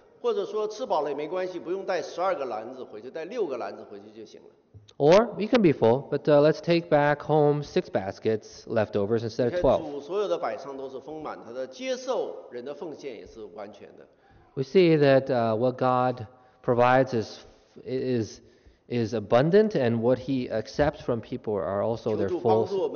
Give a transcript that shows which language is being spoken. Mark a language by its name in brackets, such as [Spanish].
[Chinese] 或者说吃饱了也没关系，不用带十二个篮子回去，带六个篮子回去就行了。 [English] Or we can be full, but let's take back home 6 baskets leftovers instead of 12. [Chinese] 主所有的摆上都是丰满，他的接受人的奉献也是完全的。 [English] We see that what God provides is abundant, and what he accepts from people are also their full.